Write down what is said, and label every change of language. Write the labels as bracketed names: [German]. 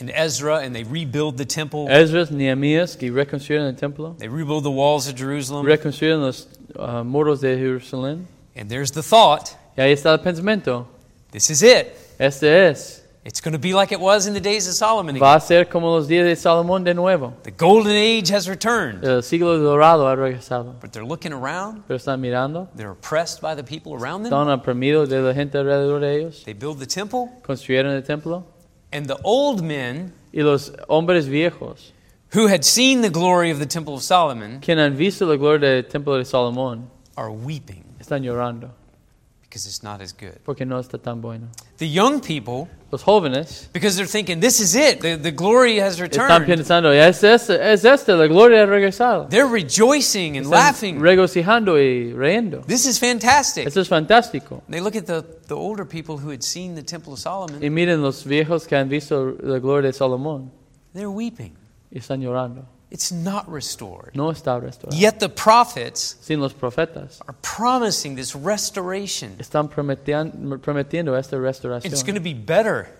[English] And Ezra, and they rebuild the temple. [Spanish] Ezra, Nehemías, que reconstruyeron el templo. [English] They rebuild the walls of Jerusalem. [Spanish] Reconstruyeron los muros de Jerusalén. [English] And there's the thought. [Spanish] Y ahí está el pensamiento. [English] This is it. [Spanish] Este es. [English] It's going to be like it was in the days of Solomon again. [Spanish] Va a ser como los días de Salomón de nuevo. [English] The golden age has returned. [Spanish] El siglo dorado ha regresado. [English] But they're looking around. [Spanish] Pero están mirando. [English] They're oppressed by the people around them. [Spanish] Están oprimidos de la gente alrededor de ellos. [English] They build the temple. [Spanish] Construyeron el templo. [English] And the old men. [Spanish] Y los hombres viejos. [English] Who had seen the glory of the temple of Solomon. [Spanish] Quien han visto la gloria del templo de Salomón. [English] Are weeping. [Spanish] Están llorando. [English] Because it's not as good. [Spanish] Porque no está tan bueno. [English] The young people. [Spanish] Los jóvenes. [English] Because they're thinking, this is it. The glory has returned. [Spanish] Están pensando, es esta, la gloria ha regresado. [English] They're rejoicing and [Spanish] están [English] laughing. [Spanish] Regocijando y riendo. [English] This is fantastic. [Spanish] Esto es fantástico. [English] They look at the older people who had seen the Temple of Solomon. [Spanish] Y miren los viejos que han visto la gloria de Salomón. [English] They're weeping. [Spanish] Y están llorando. [English] It's not restored. [Spanish] No está restaurado. [English] Yet the prophets, [Spanish] sin los profetas, [English] are promising this restoration. [Spanish] Están prometiendo esta restauración. [English] It's going to be better.